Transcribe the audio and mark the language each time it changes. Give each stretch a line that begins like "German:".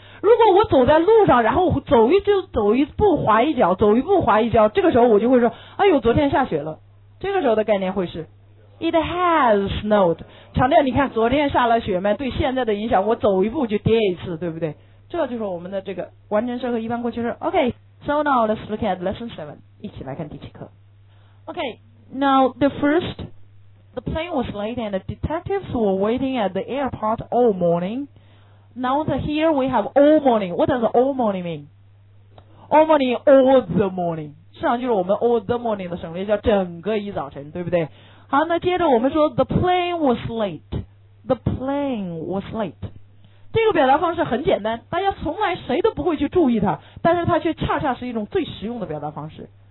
Chinese: 如果我走在路上，然后走一步滑一脚，走一步滑一脚，这个时候我就会说哎呦昨天下雪了。这个时候的概念会是
English: it has snowed，
Chinese: 强调你看昨天下了雪嘛，对现在的影响，我走一步就跌一次，对不对？这就是我们的这个完成式和一般过去式。
English: OK， so now let's look at lesson 7，
Chinese: 一起来看第七课。
English: OK， now the first， the plane was late and the detectives were waiting at the airport all morning. Now that here we have all morning. What does all morning mean? All morning, all the morning，
Chinese: 实际上就是我们
English: all the morning
Chinese: 的省略，叫整个一早晨，对不对？好，那接着我们说
English: the plane was late， the plane was late，
Chinese: 这个表达方式很简单，大家从来谁都不会去注意它，但是它却恰恰是一种最实用的表达方式。